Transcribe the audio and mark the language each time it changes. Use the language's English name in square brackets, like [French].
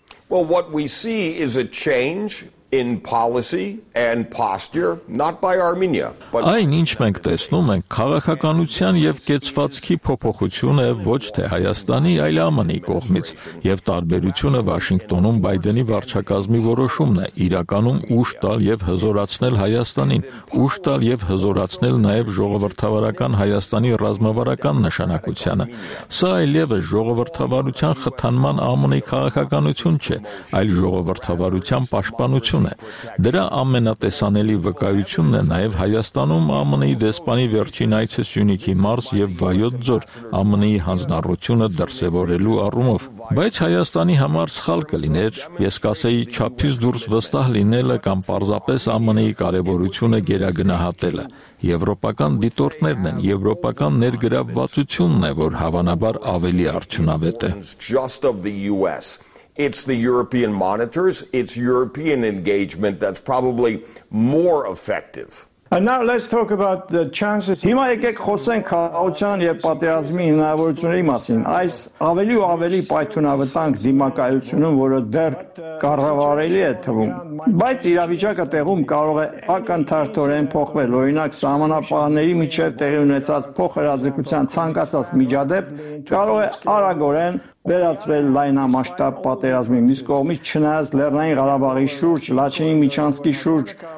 [English] Well, what we see is a change in policy and posture, not by Armenia. [Armenian] Այն, ինչ մենք տեսնում ենք, քաղաքականության եւ կեցվածքի փոփոխություն է ոչ թե Հայաստանի, այլ ԱՄՆ-ի կողմից, եւ տարբերությունը Վաշինգտոնում Բայդենի վարչակազմի որոշումն է՝ իրականում ուշ տալ եւ հզորացնել Հայաստանին, ուշ տալ եւ հզորացնել նաեւ ժողովրդավարական Հայաստանի ռազմավարական նշանակությունը։ Սա այլևս ժողովրդավարության խթանման ԱՄՆ-ի քաղաքականություն չէ, այլ ժողովրդավարության պաշտպանություն։ Դրա ամենատեսանելի վկայությունն է նաև Հայաստանում ԱՄՆ-ի դեսպանի վերջին այցը Սյունիքի մարզ եւ Վայոց ձոր ԱՄՆ-ի հանձնառությունը դրսեւորելու առումով։ Բայց Հայաստանի համար սխալ կլիներ, ես կասեի, չափից դուրս վստահ լինելը կամ պարզապես ԱՄՆ-ի կարևորությունը գերագնահատելը։ Եվրոպական դիտորդներն են, եվրոպական ներգրավվածությունն է, որ հավանաբար ավելի արդյունավետ է։ [English] It's the European monitors, it's European engagement that's probably more effective. And now let's talk about the chances. [Armenian] Հիմա եկեք խոսենք քաղաքական եւ պատերազմի հնարավորությունների մասին։ Այս ավելի ու ավելի պայթունավտանգ դիմակայությունում, որը դեռ կառավարելի է թվում, բայց իրավիճակը տեղում կարող է ակնթարթորեն փոխվել, օրինակ սահմանապահների միջև տեղի ունեցած փոխհրաձգության ցանկացած միջադեպ կարող է արագորեն վերածվել լայնամասշտաբ պատերազմի։ Մյուս կողմից, չնայած Լեռնային Ղարաբաղի շուրջ, Լաչինի միջանցքի շուրջ